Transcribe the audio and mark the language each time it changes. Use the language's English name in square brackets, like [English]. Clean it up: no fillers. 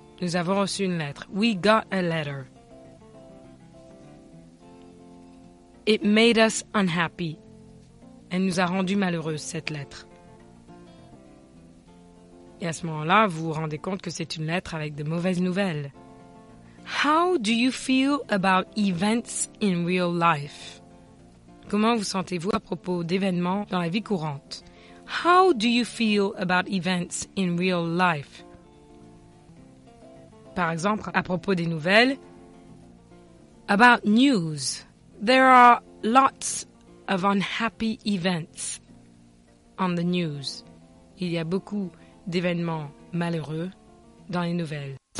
[French] Nous avons reçu une lettre. [English] We got a letter. It made us unhappy. [French] Elle nous a rendus malheureux, cette lettre. Et à ce moment-là, vous vous rendez compte que c'est une lettre avec de mauvaises nouvelles. [English] How do you feel about events in real life? [French] Comment vous sentez-vous à propos d'événements dans la vie courante? [English] How do you feel about events in real life? [French] Par exemple, à propos des nouvelles. [English] About news, there are lots of unhappy events on the news. [French] Il y a beaucoup d'événements malheureux dans les nouvelles.